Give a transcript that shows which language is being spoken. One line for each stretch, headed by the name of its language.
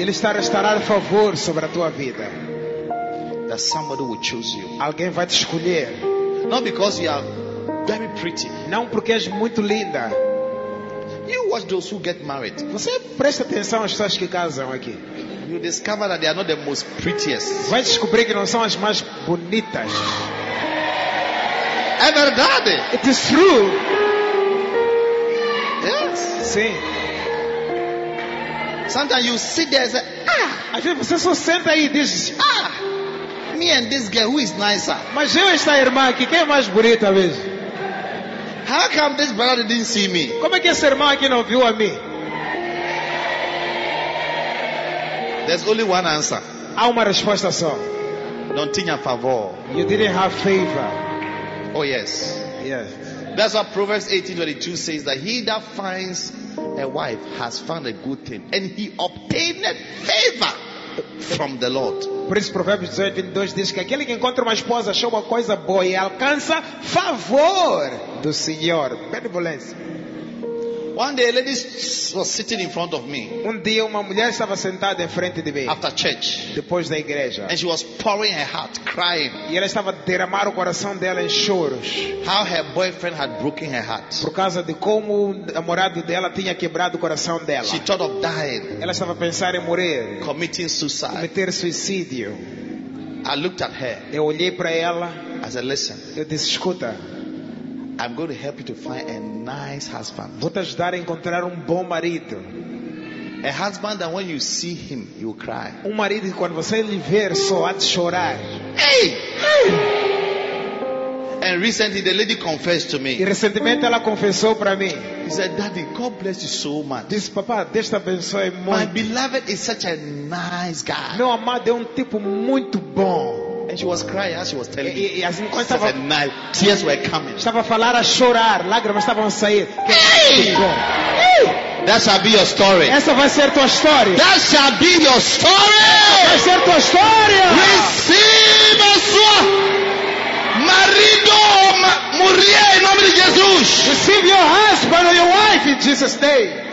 Portuguese: Ele está a restaurar favor sobre a tua vida.
English: That somebody will choose you.
Portuguese: Alguém vai te escolher.
English: Not because you are very pretty.
Portuguese: Não porque és muito linda.
English: You watch those who get married.
Portuguese: Você presta atenção às pessoas que casam aqui.
English: You discover that they are not the most prettiest.
Portuguese: Vai descobrir que não são as mais bonitas. É verdade.
English: It is true. Yes.
Portuguese: Sim.
English: Sometimes you sit there and say, ah.
Portuguese: Às vezes você só senta aí e diz,
English: ah. Me and this girl, who is nicer?
Portuguese: Mas eu e esta irmã aqui, quem é mais bonita mesmo?
English: How come this brother didn't see me?
Portuguese: Como é que essa irmã aqui não viu a mim?
English: There's only one answer.
Portuguese: Há uma resposta só. Não tinha favor.
English: You didn't have favor. Oh yes. Yes. That's what Proverbs 18:22 says, that he that finds a wife has found a good thing and he obtained favor. from the Lord.
Portuguese: Por isso Provérbios 18:22 diz que aquele que encontra uma esposa achou uma coisa boa e alcança favor do Senhor. Benevolência.
English: One day a lady was sitting in front of me.
Portuguese: Um dia uma mulher estava sentada em frente de mim.
English: After church.
Portuguese: Depois da igreja.
English: And she was pouring her heart, crying.
Portuguese: E ela estava derramando o coração dela em choros.
English: How her boyfriend had broken her heart.
Portuguese: Por causa de como o namorado dela tinha quebrado o coração dela.
English: She thought of dying.
Portuguese: Ela estava pensando em morrer.
English: Committing suicide.
Portuguese: Cometer suicídio.
English: I looked at her.
Portuguese: Eu olhei para ela.
English: I said, listen.
Portuguese: Eu disse, escuta.
English: I'm going to help you to find a nice husband.
Portuguese: Vou te ajudar a encontrar bom marido.
English: A husband that when you see him, you will cry.
Portuguese: Marido que quando você lhe ver, só há de chorar.
English: Hey! And recently the lady confessed to me.
Portuguese: E recentemente ela confessou para mim.
English: He said, Daddy, God bless you so much.
Portuguese: Diz, papá, Deus te abençoe muito.
English: My beloved is such a nice guy.
Portuguese: Meu amado é tipo muito bom.
English: And she was crying as she was telling me.
Portuguese: E assim, quando estava
English: night, tears were coming.
Portuguese: Estava a falar, a chorar, lágrimas estavam a sair.
English: That shall be your story.
Portuguese: Essa vai ser tua história.
English: That shall be your story.
Portuguese: Vai ser tua história. Receba a sua marido, mulher, em nome de Jesus.
English: Receive your husband or your wife in Jesus' name.